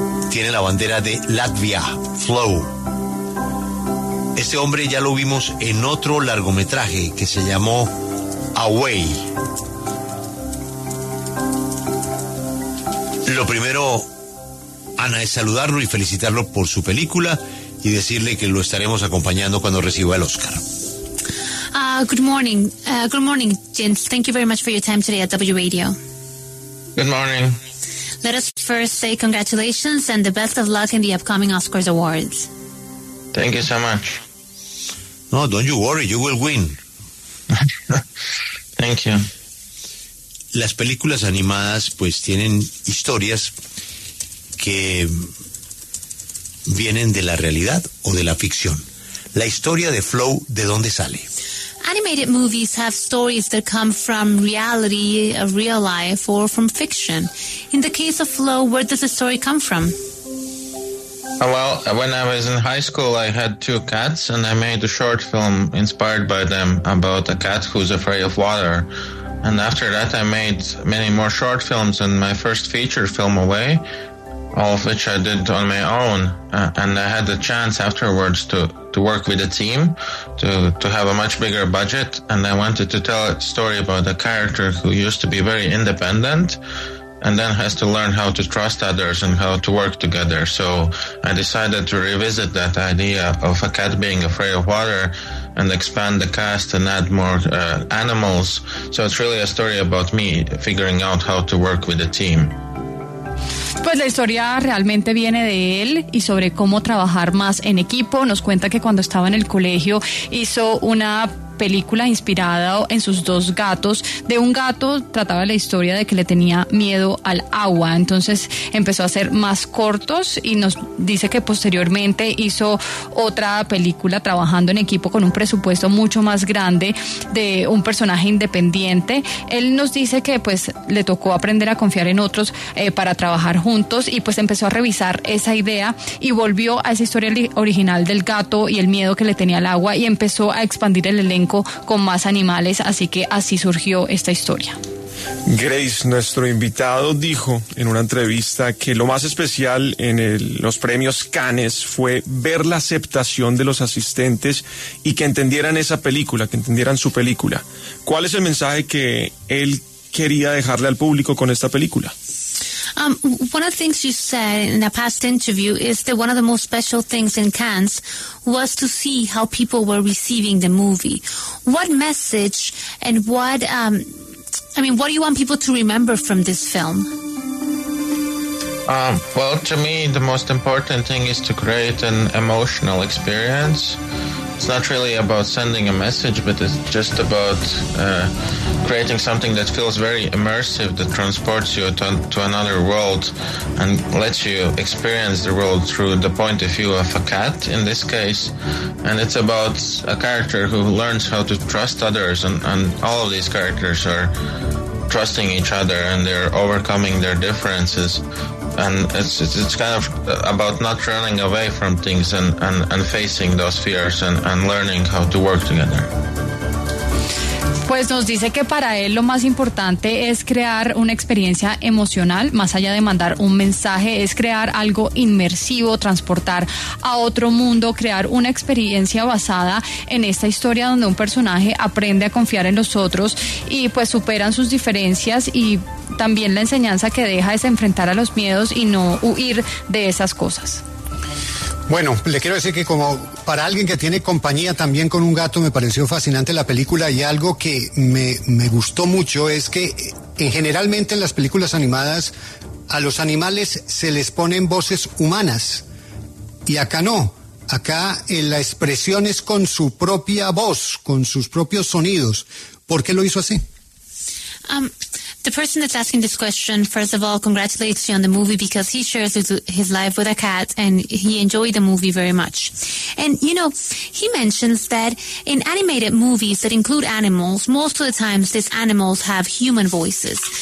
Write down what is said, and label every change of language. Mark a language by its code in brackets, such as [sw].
[es] Tiene la bandera de Latvia, Flow. Este hombre ya lo vimos en otro largometraje que se llamó Away. Lo primero, Ana, es saludarlo y felicitarlo por su película y decirle que lo estaremos acompañando cuando reciba el Oscar. [en] Good morning, gents. Thank you very much for your time today at W Radio. Good morning. Let us first say congratulations and the best of luck in the upcoming Oscars Awards. Thank you so much. No, don't you worry, you will win. Thank you. [es] Las películas animadas pues tienen historias que vienen de la realidad o de la ficción. La historia de Flow, ¿de dónde sale? [en] Animated movies have stories that come from reality, real life, or from fiction. In the case of Flow, where does the story come from? Well, when I was in high school, I had two cats, and I made a short film inspired by them about a cat who's afraid of water. And after that, I made many more short films, and my first feature film, Away, all of which I did on my own, and I had the chance afterwards to work with a team, to have a much bigger budget, and I wanted to tell a story about a character who used to be very independent, and then has to learn how to trust others and how to work together. So I decided to revisit that idea of a cat being afraid of water and expand the cast and add more animals. So it's really a story about me figuring out how to work with a team. [es] Pues la historia realmente viene de él y sobre cómo trabajar más en equipo. Nos cuenta que cuando estaba en el colegio hizo una película inspirada en sus dos gatos. De un gato trataba la historia de que le tenía miedo al agua, entonces empezó a hacer más cortos y nos dice que posteriormente hizo otra película trabajando en equipo con un presupuesto mucho más grande de un personaje independiente. Él nos dice que pues le tocó aprender a confiar en otros para trabajar juntos y pues empezó a revisar esa idea y volvió a esa historia original del gato y el miedo que le tenía al agua y empezó a expandir el elenco con más animales, así que así surgió esta historia. Grace, nuestro invitado, dijo en una entrevista que lo más especial en los premios Cannes fue ver la aceptación de los asistentes y que entendieran esa película, que entendieran su película. ¿Cuál es el mensaje que él quería dejarle al público con esta película? [en] One of the things you said in a past interview is that one of the most special things in Cannes was to see how people were receiving the movie. What message and what, what do you want people to remember from this film? Well, to me, the most important thing is to create an emotional experience. It's not really about sending a message, but it's just about creating something that feels very immersive, that transports you to another world and lets you experience the world through the point of view of a cat in this case. And it's about a character who learns how to trust others, and all of these characters are trusting each other and they're overcoming their differences. And it's kind of about not running away from things and facing those fears and learning how to work together. [es] Pues nos dice que para él lo más importante es crear una experiencia emocional, más allá de mandar un mensaje, es crear algo inmersivo, transportar a otro mundo, crear una experiencia basada en esta historia donde un personaje aprende a confiar en los otros y pues superan sus diferencias y también la enseñanza que deja es enfrentar a los miedos y no huir de esas cosas. Bueno, le quiero decir que como para alguien que tiene compañía también con un gato, me pareció fascinante la película y algo que me gustó mucho es que Generalmente en las películas animadas a los animales se les ponen voces humanas y acá no. Acá la expresión es con su propia voz, con sus propios sonidos. ¿Por qué lo hizo así? [en] The person that's asking this question, first of all, congratulates you on the movie because he shares his life with a cat and he enjoyed the movie very much. And, you know, he mentions that in animated movies that include animals, most of the times these animals have human voices.